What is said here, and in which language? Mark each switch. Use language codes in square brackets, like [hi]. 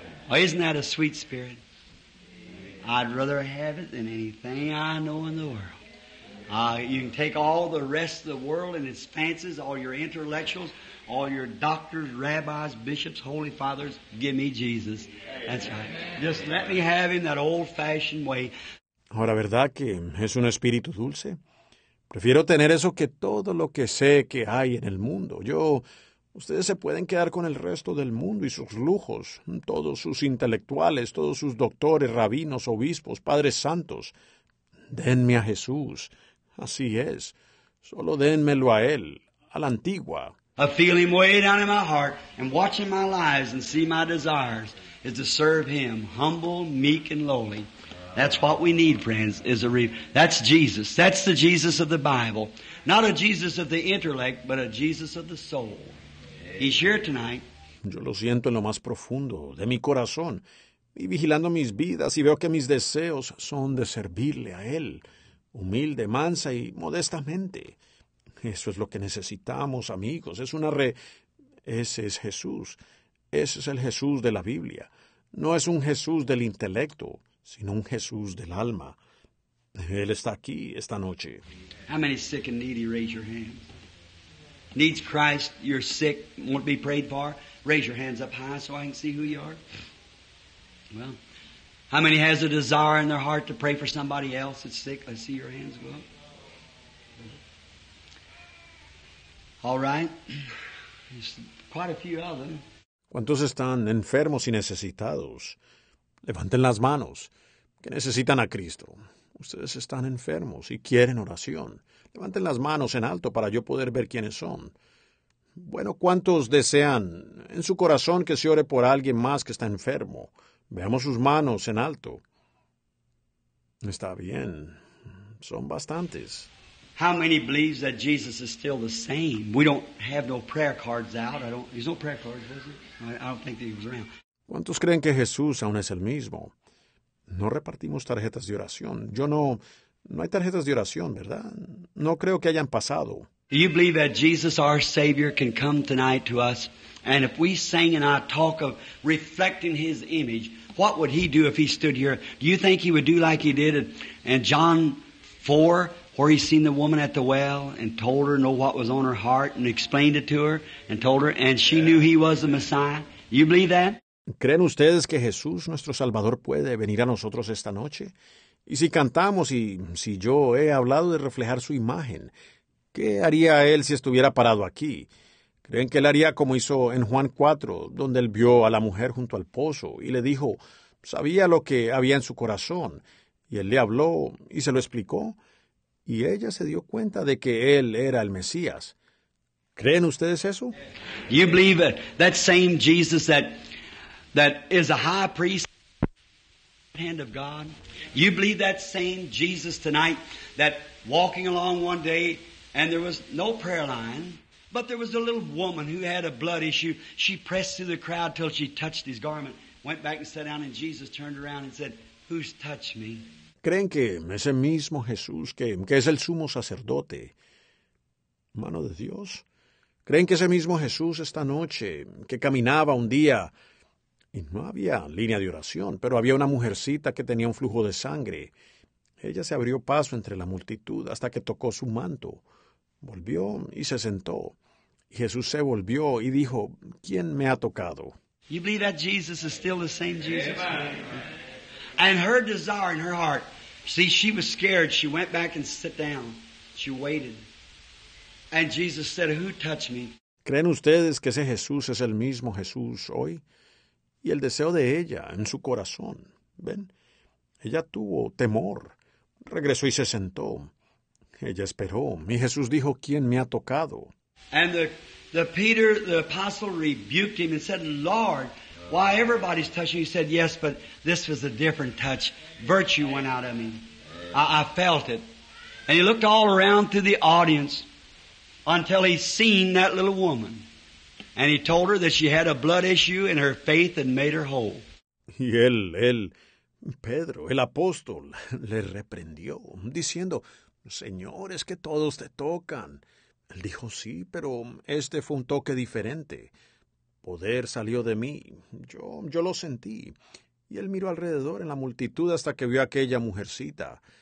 [en] Oh, isn't that a sweet spirit? I'd rather have it than anything I know in the world. You can take all the rest of the world and its fancies, all your intellectuals, all your doctors, rabbis, bishops, holy fathers, give me Jesus. That's right. Just let me have him that old-fashioned way. [es] Ahora, ¿verdad que es un espíritu dulce? Prefiero tener eso que todo lo que sé que hay en el mundo. Ustedes se pueden quedar con el resto del mundo y sus lujos, todos sus intelectuales, todos sus doctores, rabinos, obispos, padres santos. Denme a Jesús. Así es. Solo dénmelo a él, a la antigua. [en] I feel him way down in my heart and watching my lives and see my desires is to serve him, humble, meek, and lowly. That's what we need, friends, is a that's Jesus. That's the Jesus of the Bible. Not a Jesus of the intellect, but a Jesus of the soul. He's here tonight. [es] Yo lo siento en lo más profundo de mi corazón. Y vigilando mis vidas y veo que mis deseos son de servirle a él, humilde, mansa y modestamente. Eso es lo que necesitamos, amigos. Ese es Jesús. Ese es el Jesús de la Biblia. No es un Jesús del intelecto, sino un Jesús del alma. Él está aquí esta noche. [en] How many sick and needy, raise your hands. Needs Christ, you're sick, won't be prayed for. Raise your hands up high so I can see who you are. Well, how many has a desire in their heart to pray for somebody else that's sick? I see your hands go up. All right. There's quite a few of them. [es] ¿Cuántos están enfermos y necesitados? Levanten las manos. ¿Qué necesitan a Cristo? Ustedes están enfermos y quieren oración. Levanten las manos en alto para yo poder ver quiénes son. Bueno, ¿cuántos desean en su corazón que se ore por alguien más que está enfermo? Veamos sus manos en alto. Está bien. Son bastantes. [en] How many believes that Jesus is still the same? We don't have no prayer cards out. There's no prayer cards, is it? I don't think that he was around. [es] ¿Cuántos creen que Jesús aún es el mismo? No repartimos tarjetas de oración. No hay tarjetas de oración, ¿verdad? No creo que hayan pasado. [en] Do you believe that Jesus, our Savior, can come tonight to us? And if we sang and I talk of reflecting His image, what would He do if He stood here? Do you think He would do like He did in John 4, where He seen the woman at the well and told her, know what was on her heart, and explained it to her and told her, and she knew He was the Messiah? You believe that? [es] ¿Creen ustedes que Jesús, nuestro Salvador, puede venir a nosotros esta noche? Y si cantamos y si yo he hablado de reflejar su imagen, ¿qué haría Él si estuviera parado aquí? ¿Creen que Él haría como hizo en Juan 4, donde Él vio a la mujer junto al pozo y le dijo, sabía lo que había en su corazón, y Él le habló y se lo explicó, y ella se dio cuenta de que Él era el Mesías? ¿Creen ustedes eso? [en] You believe that same Jesus that is a high priest hand of God? You believe that same Jesus tonight that walking along one day and there was no prayer line, but there was a little woman who had a blood issue. She pressed through the crowd till she touched His garment, went back and sat down, and Jesus turned around and said, who's touched me? [es] ¿Creen que ese mismo Jesús, que es el sumo sacerdote, mano de Dios? ¿Creen que ese mismo Jesús esta noche, que caminaba un día, y no había línea de oración, pero había una mujercita que tenía un flujo de sangre? Ella se abrió paso entre la multitud hasta que tocó su manto. Volvió y se sentó. Jesús se volvió y dijo, ¿quién me ha tocado? [en] You believe that Jesus is still the same Jesus? And her desire in her heart, see, she was scared. She went back and sat down. She waited. And Jesus said, who touched me? [es] ¿Creen ustedes que ese Jesús es el mismo Jesús hoy? Y el deseo de ella en su corazón, ¿ven? Ella tuvo temor. Regresó y se sentó. Ella esperó. Y Jesús dijo, ¿quién me ha tocado? [en] And the Peter, the apostle, rebuked him and said, Lord, why everybody's touching? He said, yes, but this was a different touch. Virtue went out of me. I felt it. And he looked all around through the audience until he seen that little woman. And he told her that she had a blood issue in her faith and made her whole. [es] Y él, Pedro, el apóstol, le reprendió, diciendo, Señor, es que todos te tocan. Él dijo, sí, pero este fue un toque diferente. Poder salió de mí. Yo lo sentí. Y él miró alrededor en la multitud hasta que vio a aquella mujercita.